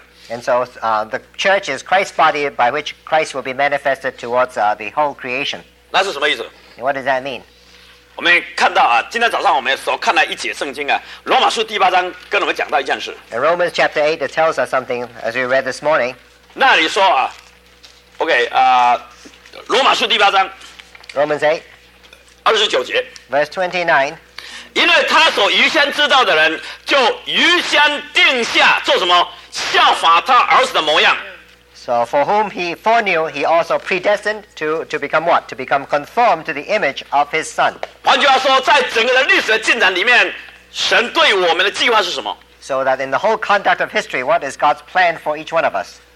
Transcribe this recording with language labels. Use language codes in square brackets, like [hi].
[en] And so the church is Christ's body by which Christ will be manifested towards the whole creation. What does that mean? [zh] 我们看到啊，今天早上我们所看到一节圣经啊，罗马书第八章跟我们讲到一件事。In [en] Romans chapter 8, it tells us something as we read this morning. [zh] 那里说啊 ，OK 啊，罗马书第八章 [en] ，Romans 8:29 ，Verse 29， [zh] 因为他所预先知道的人，就预先定下做什么，效法他儿子的模样。 [en] So for whom he foreknew, he also predestined to become what? To become conformed to the image of his son. [zh] 换句话说，在整个的历史的进展里面，神对我们的计划是什么？ [en] So that in the whole conduct of history, what is God's plan for each one of us?